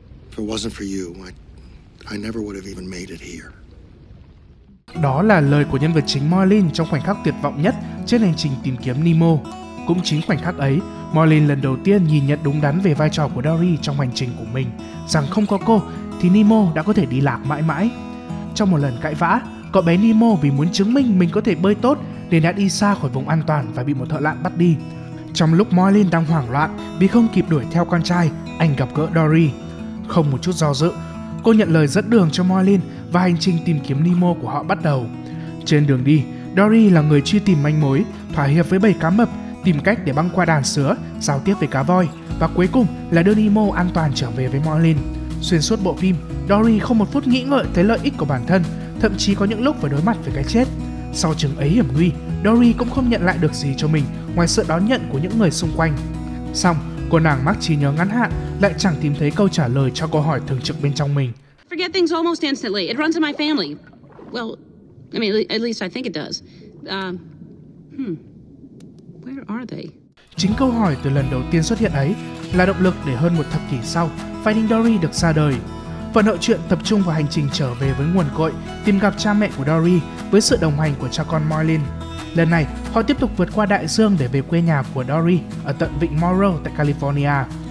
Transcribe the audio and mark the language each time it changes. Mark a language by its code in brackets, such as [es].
[en] If it wasn't for you, I never would have even made it here. [vi] Đó là lời của nhân vật chính Marlin trong khoảnh khắc tuyệt vọng nhất trên hành trình tìm kiếm Nemo. Cũng chính khoảnh khắc ấy, Marlin lần đầu tiên nhìn nhận đúng đắn về vai trò của Dory trong hành trình của mình, rằng không có cô thì Nemo đã có thể đi lạc mãi mãi. Trong một lần cãi vã, cậu bé Nemo vì muốn chứng minh mình có thể bơi tốt nên đã đi xa khỏi vùng an toàn và bị một thợ lặn bắt đi. Trong lúc Marlin đang hoảng loạn vì không kịp đuổi theo con trai, anh gặp gỡ Dory. Không một chút do dự, cô nhận lời dẫn đường cho Marlin và hành trình tìm kiếm Nemo của họ bắt đầu. Trên đường đi, Dory là người truy tìm manh mối, thỏa hiệp với bầy cá mập, tìm cách để băng qua đàn sứa, giao tiếp với cá voi và cuối cùng là đưa Nemo an toàn trở về với Marlin. Xuyên suốt bộ phim, Dory không một phút nghĩ ngợi tới lợi ích của bản thân, thậm chí có những lúc phải đối mặt với cái chết. Sau chừng ấy hiểm nguy, Dory cũng không nhận lại được gì cho mình ngoài sự đón nhận của những người xung quanh. Xong, cô nàng mắc trí nhớ ngắn hạn lại chẳng tìm thấy câu trả lời cho câu hỏi thường trực bên trong mình. [en] Forget things almost instantly. It runs in my family. Well, I mean, at least I think it does. Where are they? [vi] Chính câu hỏi từ lần đầu tiên xuất hiện ấy là động lực để hơn một thập kỷ sau, Finding Dory được ra đời. Phần hậu truyện tập trung vào hành trình trở về với nguồn cội, tìm gặp cha mẹ của Dory với sự đồng hành của cha con Marlin. Lần này, họ tiếp tục vượt qua đại dương để về quê nhà của Dory ở tận vịnh Morro tại California.